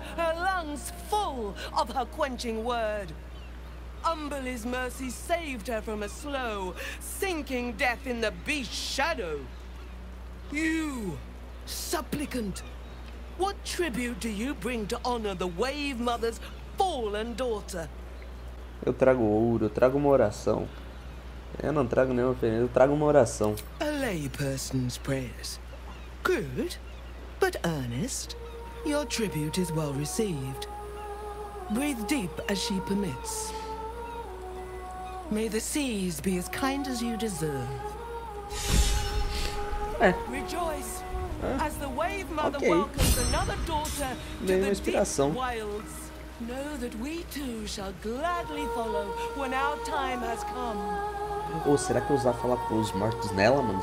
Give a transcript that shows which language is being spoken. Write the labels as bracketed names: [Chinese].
[English] Her lungs full of her quenching word. Umberly's mercy saved her from a slow, sinking death in the beast's shadow. You, supplicant. What tribute do you bring to honor the Wave Mother's fallen daughter? [Portuguese] Eu trago ouro, eu trago uma oração. Eu não trago nenhuma oferenda, eu trago uma oração. [English] A layperson's prayers. Crude, but earnest. Your tribute is well received. Breathe deep as she permits. May the seas be as kind as you deserve. Rejoice as the wave mother welcomes another daughter to the deep wilds. Know that we too shall gladly follow when our time has come. [Portuguese] Ou será que eu usava falar com os mortos nela, mano?